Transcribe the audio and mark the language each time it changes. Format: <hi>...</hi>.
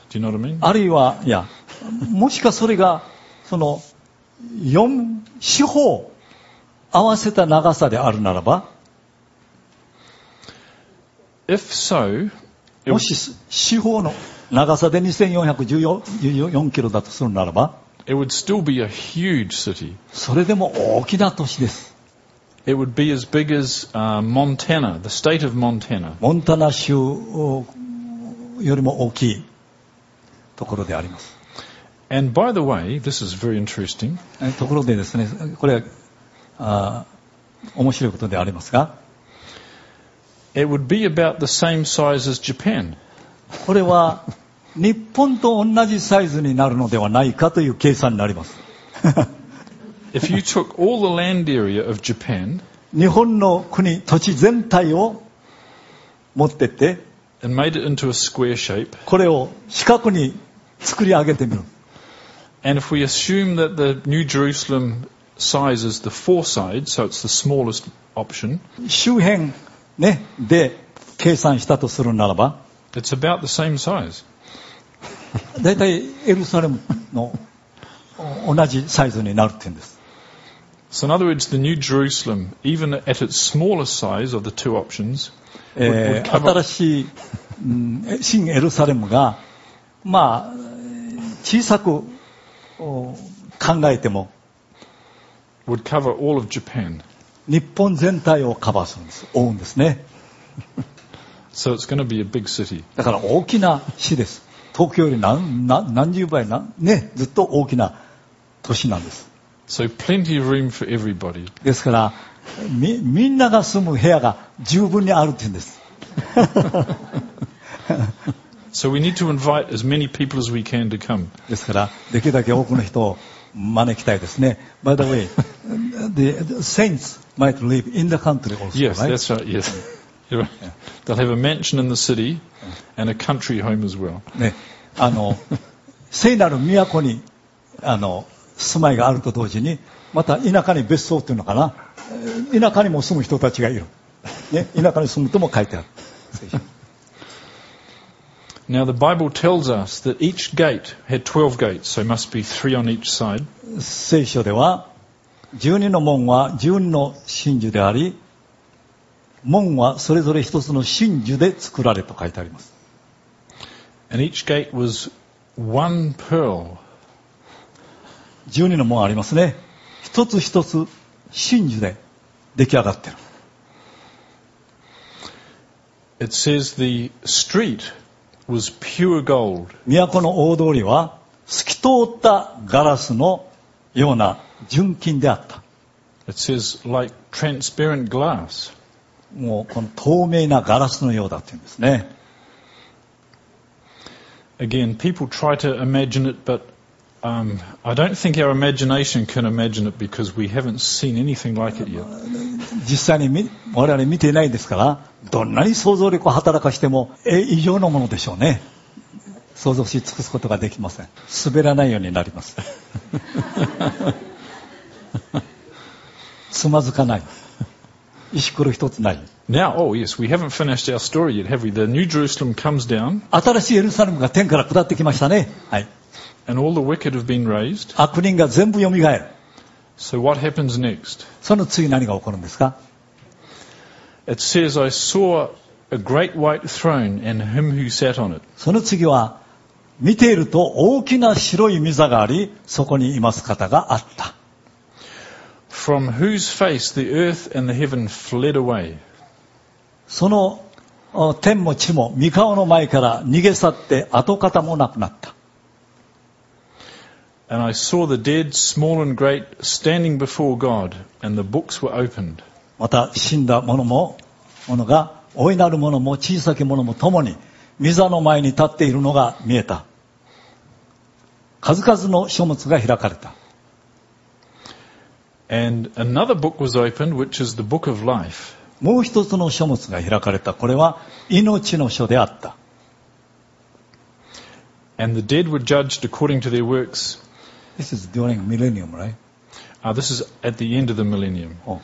<en>Do you know what I mean?</en> <ja>あるいは、いや、もしかそれがその四方合わせた長さであるならば、</ja> <en>If so,</en> <ja>もし四方の長さで2414キロだとするならば、</ja> <en>It would still be a huge city.</en> <ja>それでも大きな都市です。</ja> <en>It would be as big as Montana, the state of Montana.</en> <ja>モンタナ州よりも大きいところであります。</ja> <en>And by the way, this is very interesting.</en> <ja>ところでですね、これは面白いことでありますが、</ja> <en>It would be about the same size as Japan.</en> <ja>これは日本と同じサイズになるのではないかという計算になります。</ja> <en>If you took all the land area of Japan,</en> <ja>日本の国、土地全体を持ってって、</ja> <en>and made it into a square shape,</en> <ja>これを四角に作り上げてみる。</ja> <en>And if we assume that the New Jerusalem size is the four sides, so it's the smallest option,</en> <ja>周辺、ね、で計算したとするならば、</ja> <en>it's about the same size.</en> <ja>だいたいエルサレムの同じサイズになるって言うんです。</ja> <en>So in other words, the New Jerusalem, even at its smallest size of the two options, would cover...</en> <ja>新しい、新エルサレムが、まあ、小さく考えても、</ja> <en>would cover all of Japan.</en> <ja>日本全体をカバーするんです。覆うんですね。</ja> <en>So it's going to be a big city.</en> <ja>だから大きな市です。東京より何十倍、ね、ずっと大きな都市なんです。</ja> <en>So plenty of room for everybody.</en> <ja>ですから、みんなが住む部屋が十分にあるって言うんです。</ja> <en>So we need to invite as many people as we can to come.</en> <ja>ですから、できるだけ多くの人を招きたいですね。</ja> <en>By the way, the saints might live in the country also, yes, right? Yes, that's right, yes. You're right. They'll have a mansion in the city and a country home as well.</en> <ja>ね、聖なる都に、住まいがあると同時に、また田舎に別荘というのかな、田舎にも住む人たちがいる、ね、田舎に住むとも書いてある。</ja> <en>Now the Bible tells us that each gate had 12 gates, so must be 3 on each side.</en> <ja>聖書では12の門は12の真珠であり、門はそれぞれ一つの真珠で作られと書いてあります。</ja> <en>And each gate was one pearl.</en> <ja>12の門ありますね。一つ一つ真珠で出来上がってる。</ja> <en>It says the street was pure gold.</en> <ja>都の大通りは透き通ったガラスのような純金であった。</ja> <en>It says like transparent glass.</en> <ja>もうこの透明なガラスのようだというんですね。</ja> <en>Again, people try to imagine it, but、I don't think our imagination can imagine it because we haven't seen anything like it yet.</en> <ja>実際に我々見ていないですから、どんなに想像力を働かしても異常のものでしょうね。想像し尽くすことができません。滑らないようになります。つまずかない、石ころ一つない。</ja> <en>Now, oh yes, we haven't finished our story yet, have we? The New Jerusalem comes down.</en> <ja>新しいエルサレムが天から下ってきましたね。はい。</ja> <en>And all the wicked have been raised.</en> <ja>悪人が全部蘇る。</ja> <en>So what happens next?</en> <ja>その次何が起こるんですか?</ja> <en>It says, I saw a great white throne and him who sat on it.</en> <ja>その次は、見ていると大きな白い御座があり、そこにいます方があった。</ja> <en>From whose face the earth and the heaven fled away.</en> <ja>その天も地も御顔の前から逃げ去って跡形もなくなった。</ja> <en>And I saw the dead, small and great, standing before God, and the books were opened.</en> <ja>また死んだ者も、者が、大いなる者も小さき者も共に御座の前に立っているのが見えた。数々の書物が開かれた。</ja> <en>And another book was opened, which is the book of life.</en> <ja>もう一つの書物が開かれた。これは命の書であった。</ja> <en>And the dead were judged according to their works. This is during millennium, right? This is at the end of the millennium.</en>